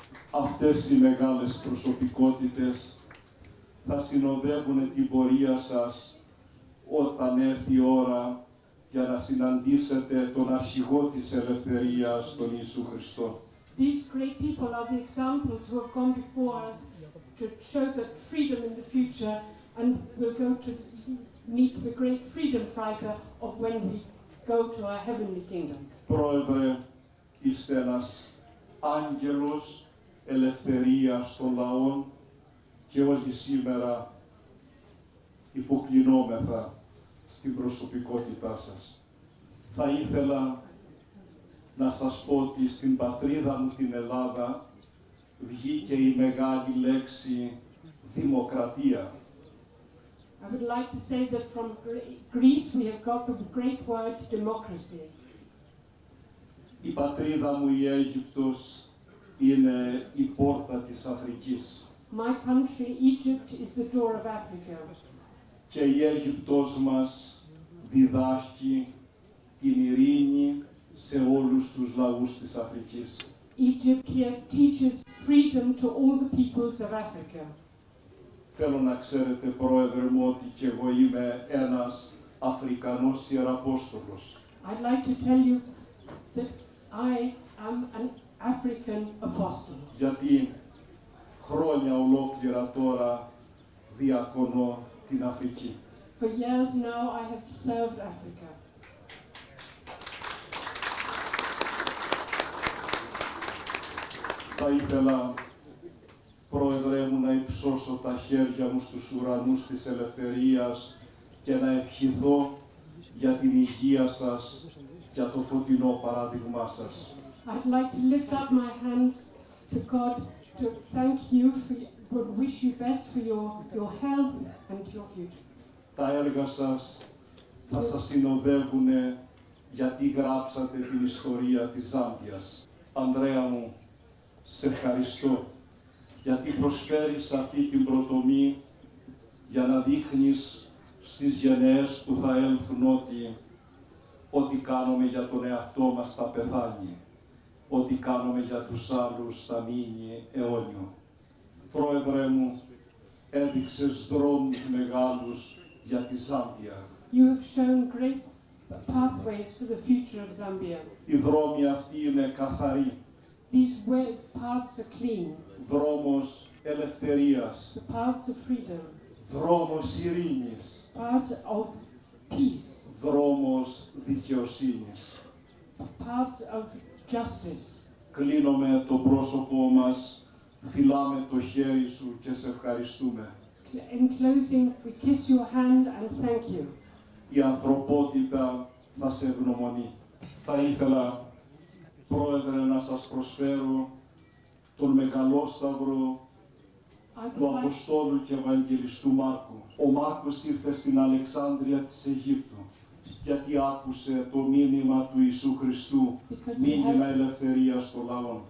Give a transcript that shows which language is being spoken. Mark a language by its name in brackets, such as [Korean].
[Greek] Αυτές οι μεγάλες προσωπικότητες θα συνοδεύουν την πορεία σας όταν έρθει η ώρα για να συναντήσετε τον αρχηγό της ελευθερίας, τον Ιησού Χριστό. [English] These great people are the examples who have gone before us to show that freedom in the future, and we're going to meet the great freedom fighter of when we go to our heavenly kingdom. [Greek] Πρόεδρε, είστε ένας άγγελος ελευθερίας των λαών και όλοι σήμερα υποκλεινόμεθα στην προσωπικότητά σας. Θα ήθελα να σας πω ότι στην πατρίδα μου την Ελλάδα βγήκε η μεγάλη λέξη δημοκρατία. [English] I would like to say that from Greece we have got the great word democracy. [Greek] Η πατρίδα μου η Αίγυπτος είναι η πόρτα της Αφρικής. [English] My country, Egypt, is the door of Africa. [Greek] Και η Αίγυπτος μας διδάσκει την ειρήνη σε όλους τους λαούς της Αφρικής. [English] Egypt here teaches freedom to all the peoples of Africa. [Greek] Θέλω να ξέρετε, πρόεδρε μου, ότι και εγώ είμαι ένας Αφρικανός Ιεραπόστολος. [English] I'd like to tell you that I am an African apostle. [Greek] Γιατί χρόνια ολόκληρα τώρα διακονώ την Αφρική. [English] For years now I have served Africa. [Greek] Θα ήθελα, πρόεδρε μου, να υψώσω τα χέρια μου στους ουρανούς της ελευθερίας και να ευχηθώ για την υγεία σας, για το φωτεινό παράδειγμά σας. [English] I'd like to lift up my hands to God to thank you for wish you best for your health and your future. [Greek] Τα έργα σας θα σας συνοδεύουν γιατί γράψατε την ιστορία της Ζάμπιας. Ανδρέα μου, Σε ευχαριστώ γιατί προσφέρεις αυτή την προτομή για να δείχνεις στις γενναίες που θα έλθουν ότι ό,τι κάνουμε για τον εαυτό μας θα πεθάνει, ό,τι κάνουμε για τους άλλους θα μείνει αιώνιο. Πρόεδρε μου, έδειξες δρόμους μεγάλους για τη Ζάμπια. [English] You have shown great pathways for the future of Zambia. [Greek] Οι δρόμοι αυτοί είναι καθαροί. [English] These way paths are clean. [Greek] Δρόμος ελευθερίας. [English] The paths of freedom. [Greek] Δρόμος ειρήνης. [English] Paths of peace. [Greek] Δρόμος δικαιοσύνης. [English] Paths of justice. [Greek] Κλείνουμε το πρόσωπό μας, φιλάμε το χέρι σου και σε ευχαριστούμε. [English] In closing, we kiss your hand and thank you. [Greek] Η ανθρωπότητα θα σε ευγνωμονεί. Θα ήθελα, Πρόεδρε, να σας προσφέρω τον Μεγαλόσταυρο του Αποστόλου και Ευαγγελιστού Μάρκου. Ο Μάρκος ήρθε στην Αλεξάνδρεια της Αιγύπτου γιατί άκουσε το μήνυμα του Ιησού Χριστού, μήνυμα ελευθερίας στο λαό.